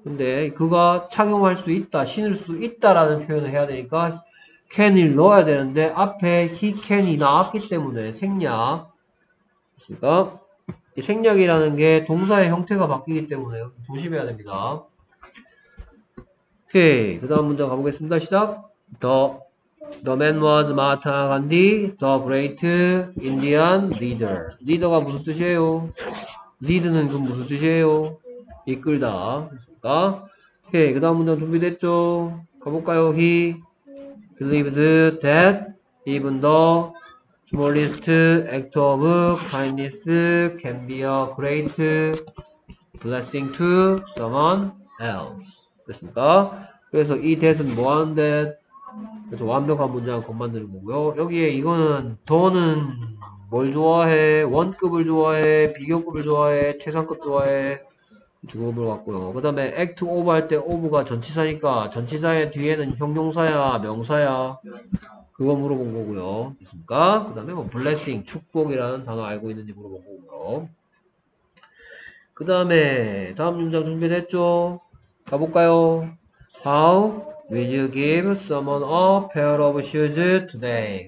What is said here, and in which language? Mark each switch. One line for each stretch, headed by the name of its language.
Korean: 근데 그가 착용할 수 있다, 신을 수 있다라는 표현을 해야 되니까 can을 넣어야 되는데 앞에 he can이 나왔기 때문에 생략. 됐습니까? 이 생략이라는 게 동사의 형태가 바뀌기 때문에 조심해야 됩니다. 오케이. 그 다음 문장 가보겠습니다. 시작. The
English: The man was Mahatma Gandhi, the great Indian leader.
Korean: 리더가 무슨 뜻이에요? 리드는 그 무슨 뜻이에요? 이끌다. 그니까. 오케이. 그 다음 문장 준비됐죠? 가볼까요?
English: He believed that even the smallest act of kindness can be a great blessing to someone else.
Korean: 됐습니까? 그래서 이 that은 뭐 하는데? 그래서 완벽한 문장 겉 만드는 거고요. 여기에 이거는 더는 뭘 좋아해? 원급을 좋아해? 비교급을 좋아해? 최상급 좋아해? 직업을 갖고요. 그 다음에 act of 할때 of가 전치사니까 전치사의 뒤에는 형용사야? 명사야? 그거 물어본 거고요. 있습니까? 그 다음에 뭐 blessing, 축복이라는 단어 알고 있는지 물어본 거고요. 그 다음에 다음 문장 준비됐죠? 가볼까요? How?
English: Will you give someone a pair of shoes today?